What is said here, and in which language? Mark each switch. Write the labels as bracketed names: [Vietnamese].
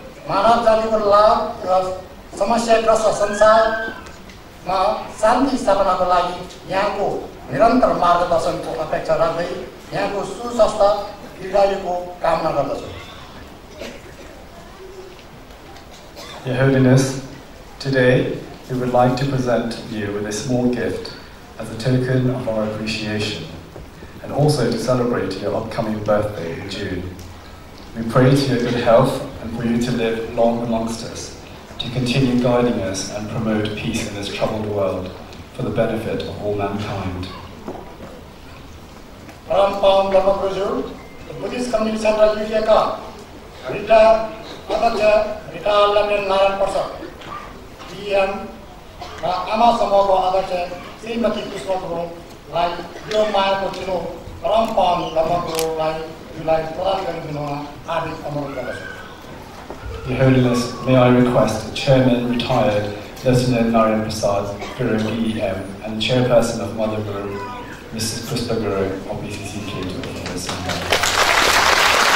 [Nepali] मानव जातिको लाभ र समस्याग्रस्त संसारमा शान्ति स्थापनाको लागि यहाँको निरन्तर मार्गदर्शनको अपेक्षा राख्दै यहाँको सुस्वस्थ दीर्घायुको कामना गर्दछु। [English] Your Holiness, today we would like to present you with a small gift as a token of our appreciation and also to celebrate your upcoming birthday in June. We pray to your good health and for you to live long amongst us, to continue guiding us and promote peace in this troubled world for the benefit of all mankind. [Nepali] Karmapa, the Buddhist community center, BCCUK, Rita, र आमा समूहको अध्यक्ष श्रीमती पुष्प गुरुङलाई यो मायाको चिनो परमपाउन धर्मगुरुलाई जुलाई प्रदान गरिदिनुमा हार्दिक अनुरोध गर्दछु। [English] Your Holiness, may I request the Chairman, retired Lieutenant Narayan Prasad, Guru BEM, and the Chairperson of Mother Guru, Mrs. Pushpa Guru of BCCUK, to offer this in hand.